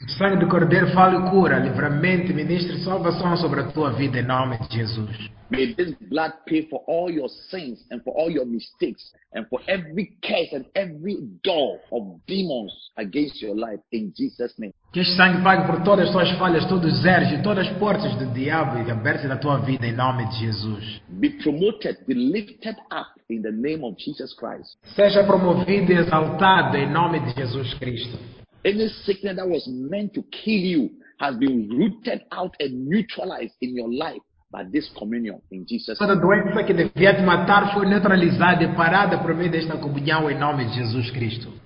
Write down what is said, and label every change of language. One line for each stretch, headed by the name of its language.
Portuguese: O sangue do Cordeiro fale cura, livramento, ministre salvação sobre a tua vida em nome de Jesus.
English: May this blood pay for all your sins and for all your mistakes and for every curse and every door of demons against your life in Jesus' name.
Portuguese: Que este sangue pague por todas as suas falhas, todos os erros e todas as portas do diabo e abertas na tua vida em nome de Jesus.
English: Be promoted, be lifted up in the name of Jesus Christ.
Portuguese: Seja promovido e exaltado em nome de Jesus Cristo.
English: Any sickness that was meant to kill you has been rooted out and neutralized in your life by this communion in Jesus.
Portuguese: Toda doença que devia te matar foi neutralizada e parada por meio desta comunhão em nome de Jesus Cristo.